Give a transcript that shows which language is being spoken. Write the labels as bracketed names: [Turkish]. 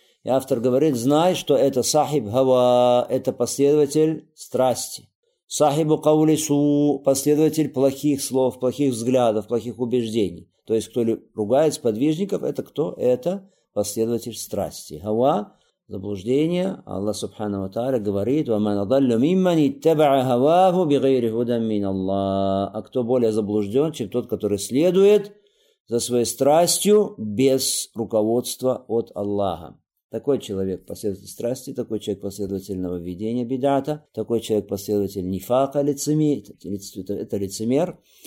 [Russian] И автор говорит, знай, что это сахиб хава, это последователь страсти. Сахибу каулису, последователь плохих слов, плохих взглядов, плохих убеждений. То есть, кто ругает сподвижников, это кто? Это последователь страсти. Хава. Заблуждение, Аллах Субхана ва Тааля говорит, [Arabic] وَمَنْ أَضَلُّ مِمَّنِ اتَّبَعَ هَوَاهُ بِغَيْرِ هُدًى مِّنَ اللَّهِ. [Russian] А кто более заблужден, чем тот, который следует за своей страстью без руководства от Аллаха. Такой человек последователь страсти, такой человек последователь нововведения бидата, такой человек последователь нифака, это лицемер.